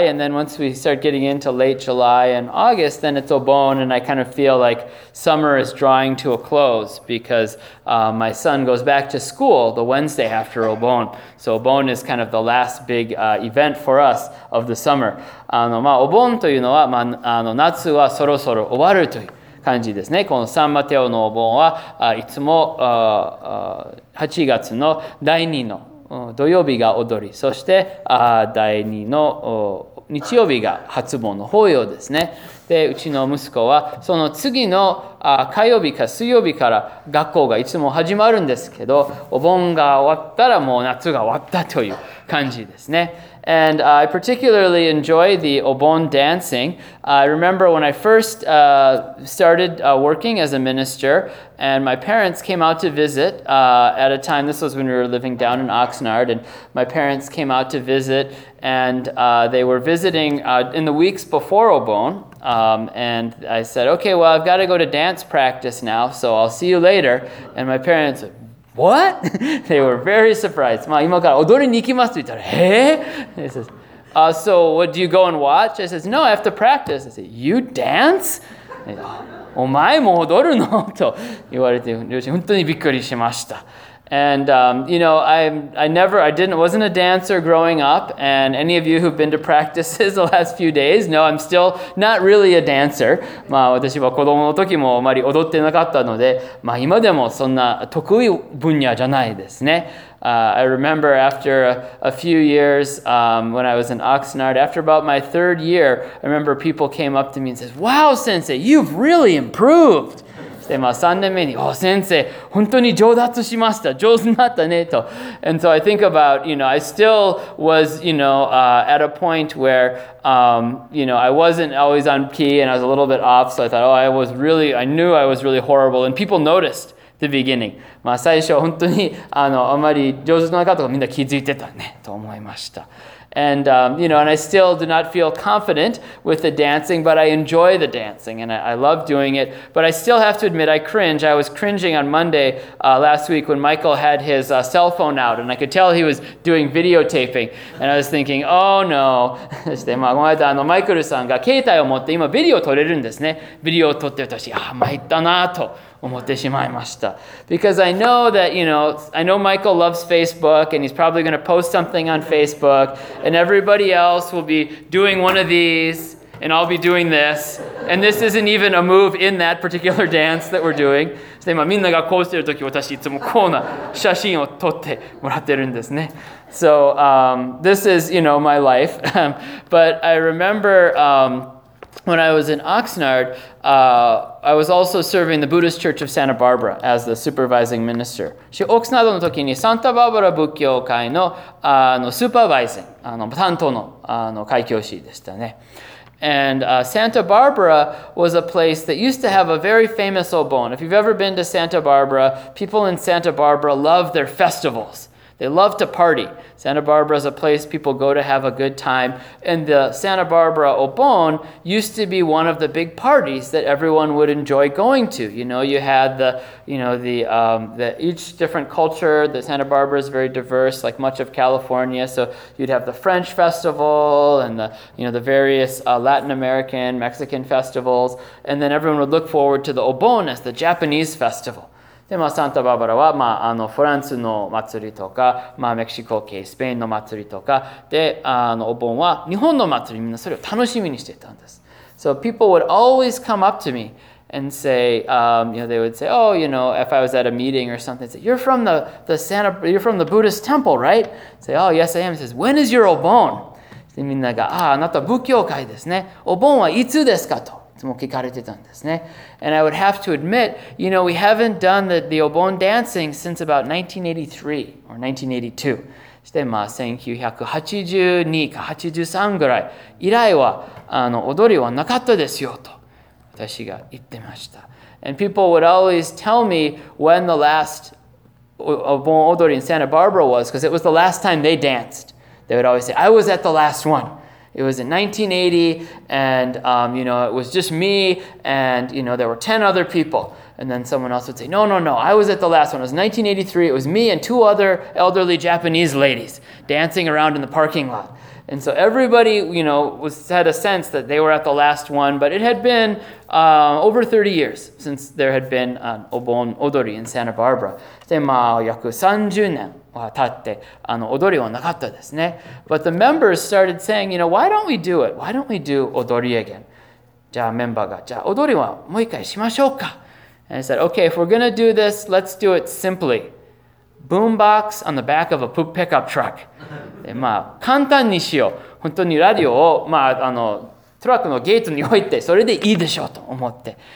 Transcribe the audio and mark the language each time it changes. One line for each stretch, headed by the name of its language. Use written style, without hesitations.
English: And then once we start getting into late July and August, then it's Obon, and I kind of feel like summer is drawing to a close because my son goes back to school the Wednesday after Obon. So Obon is kind of the last big event for us of the summer.
Japanese: Obon というのは、夏はそろそろ終わるという感じですね。このサンマテオのお盆はいつも8月の第2の土曜日が踊り、そして第2の日曜日が初盆の法要ですね。で、うちの息子はその次の火曜日か水曜日から学校がいつも始まるんですけど、お盆が終わったらもう夏が終わったという感じですね。
English: And I particularly enjoy the Obon dancing. I remember when I first started working as a minister, and my parents came out to visit at a time, this was when we were living down in Oxnard, and my parents came out to visit, and they were visiting in the weeks before Obon. And I said, okay, well, I've got to go to dance practice now, so I'll see you later. And my parents said, What? They were very surprised.
Japanese: まあ今から踊りに行きますと言ったら、へえ。
English: He says, so what do you go and watch? I says, no, I have to practice. I say, you dance?
Japanese: お前も踊るの? と言われて、両親本当にびっくりしました。
English: And you know, I wasn't a dancer growing up. And any of you who've been to practices the last few days, know I'm still not really a dancer.
Japanese: まあ私は子供の時もあまり踊ってなかったので、まあ今でもそんな得意分野じゃないですね。
English: I remember after a few years when I was in Oxnard, after about my third year, I remember people came up to me and says, "Wow, Sensei, you've really improved."
Japanese: でまあ3年目に、お先生、本当に上達しました。上手になったね、と。
English: And so I think about, you know, I still was, you know, at a point where, you know, I wasn't always on key and I was a little bit off. So I thought, oh, I knew I was really horrible. And people noticed the beginning.
Japanese: まあ最初本当にあまり上手じゃなかったとかみんな気づいてたね、と思いました。
English: And you know, and I still do not feel confident with the dancing, but I enjoy the dancing and I love doing it. But I still have to admit, I cringe. I was cringing on Monday last week when Michael had his cell phone out, and I could tell he was doing videotaping. And I was thinking, oh no.
Japanese: でまあこの間マイケルさんが携帯を持って今ビデオ撮れるんですね。ビデオ撮ってると私ああ参ったなと。
English: Because I know that, you know, I know Michael loves Facebook and he's probably going to post something on Facebook and everybody else will be doing one of these and I'll be doing this. And this isn't even a move in that particular dance that we're doing.
Japanese: で、まあ、みんながこうしてるとき、私いつもこうな写真を撮ってもらってるんですね。
English: So, this is, you know, my life. But I remember, when I was in Oxnard, I was also serving the Buddhist Church of Santa Barbara as the supervising minister.
Japanese: し、オクスナードの時にサンタバーバラ仏教会の、あの、スーパーバイゼン、あの、担当の、あの、会教士でしたね。
English: And Santa Barbara was a place that used to have a very famous obon. If you've ever been to Santa Barbara, people in Santa Barbara love their festivals. They love to party. Santa Barbara is a place people go to have a good time. And the Santa Barbara obon used to be one of the big parties that everyone would enjoy going to. You know, you had the, you know, the each different culture. The Santa Barbara is very diverse, like much of California. So you'd have the French festival and the, you know, the various Latin American, Mexican festivals. And then everyone would look forward to the obon as the Japanese festival.
Japanese: で、まあ、サンタバーバラは、まあ、あの、フランスの祭りとか、まあ、メキシコ系、スペインの祭りとか、で、あの、お盆は日本の祭り、みんなそれを楽しみにしていたんです。
English: So people would always come up to me and say, you know, they would say, oh, you know, if I was at a meeting or something, say, you're from the Santa, you're from the Buddhist temple, right? Say, oh, yes, I am. He says, when is your お盆?
Japanese: で、みんなが、ああ、あなた仏教会ですね。お盆はいつですかと。いつも聞かれてたんですね。
English: And I would have to admit, you know, we haven't done the Obon dancing since about 1983 or 1982.
Japanese: そして、まあ、1982か83ぐらい以来は、あの、踊りはなかったですよと、私が言ってました。
English: And people would always tell me when the last Obon 踊りin Santa Barbara was, because it was the last time they danced. They would always say, I was at the last one. It was in 1980, and you know, it was just me, and you know, there were 10 other people. And then someone else would say, no, no, no, I was at the last one. It was 1983. It was me and two other elderly Japanese ladies dancing around in the parking lot. And so everybody, you know, had a sense that they were at the last one, but it had been over 30 years since there had been an Obon Odori in Santa Barbara.
Japanese: で、まあ、約30年。経って、あの、踊りはなかったですね。
English: But the members started saying, you know, why don't we do it? Why don't we do 踊り again?
Japanese: じゃあメンバーが、じゃあ踊りはもう一回しましょうか。
English: And I said, okay, if we're gonna do this, let's do it simply. Boombox on the back of a poop pickup truck.
Japanese: で、まあ、簡単にしよう。本当にラディオを、まあ、あの、トラックのゲートに置いて、それでいいでしょうと思って。